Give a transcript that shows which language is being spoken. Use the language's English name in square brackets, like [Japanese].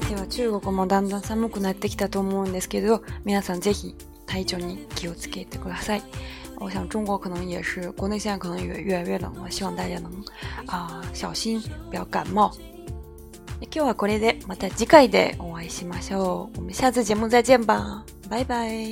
[Japanese] 中国もだんだん寒くなってきたと思うんですけど、皆さんぜひ体調に気をつけてください。 [Chinese] 我想中国可能也是，国内现在可能也越来越冷了，希望大家能小心，不要感冒。 [Japanese] 今日はこれで、また次回でお会いしましょう。 [Chinese] 我们下次节目再见吧，拜拜。